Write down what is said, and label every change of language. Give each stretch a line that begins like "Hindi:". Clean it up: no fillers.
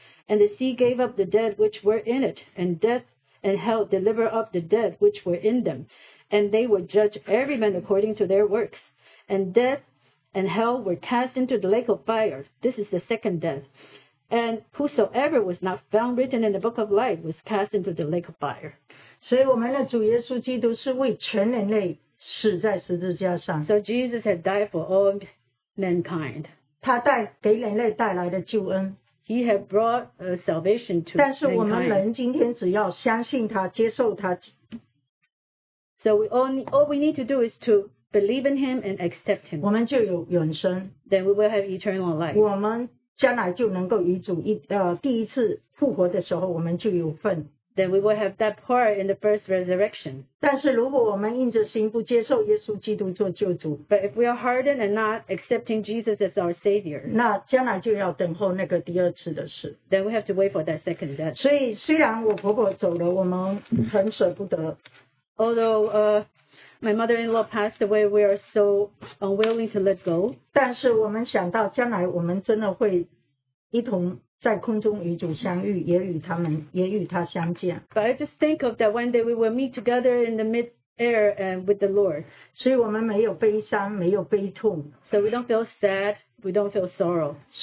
English: And the sea gave up the dead which were in it, and death and hell delivered up the dead which were in them. And they would judge every man according to their works. And death and hell were cast into the lake of fire. This is the second death. And whosoever was not found written in the book of life was cast into the lake of fire.
Chinese: 所以我们的主耶稣基督是为全人类死在十字架上。
English: So Jesus had died for all mankind.
Chinese: 他带给人类带来的救恩。
English: He had brought salvation to mankind.
Chinese: 但是我们人今天只要相信他，接受他。
English: So all we need to do is to believe in him and accept him.
Chinese: 我们就有永生,
English: then we will have eternal life.
Chinese: 我们将来就能够与主第一次复活的时候，我们就有份。
English: Then we will have that part in the first resurrection. But if we are hardened and not accepting Jesus as our Savior, then we have to wait for that second death.
Chinese: 所以虽然我婆婆走了，我们很舍不得。
English: Although my mother-in-law passed away, we are so unwilling to let go.
Chinese: 但是我们想到将来我们真的会一同 在空中与主相遇，也与他们，也与他相见。
English: But I just think of that one day we will meet together in the mid-air and with the Lord.
Chinese: 所以我们没有悲伤，没有悲痛。
English: So we don't feel sad, we don't feel sorrow.